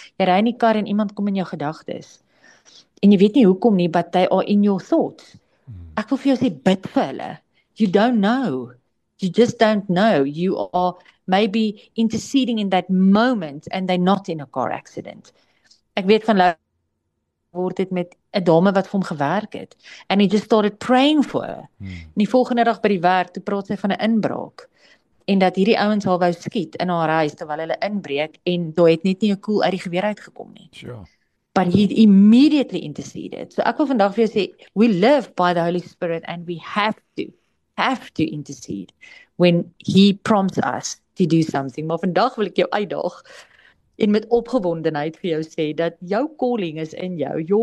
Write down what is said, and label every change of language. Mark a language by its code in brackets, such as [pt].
[af] Jy ry in die kar en iemand kom in jou gedagtes. En jy weet nie hoekom nie, [en] but they are in your thoughts. [af] Ek wil vir jou sê, bid vir hulle. [en] You don't know. You just don't know. You are maybe interceding in that moment and they're not in a car accident. [af] Ek weet van Lou word dit met 'n dame wat vir hom gewerk het [en] and he just started praying for her. [af] En die volgende dag by die werk, toe praat sy van 'n inbraak en dat hierdie ouens al wou skiet in haar huis terwyl hulle inbreek en toe het net nie 'n koel uit die geweer uitgekom nie. [en] But he immediately interceded. [af] So ek wil vandag vir jou sê, [en] we live by the Holy Spirit and we have to intercede when he prompts us to do something. [af] Maar vandag wil ek jou uitdaag en met opgewondenheid vir jou sê dat jou calling is in jou.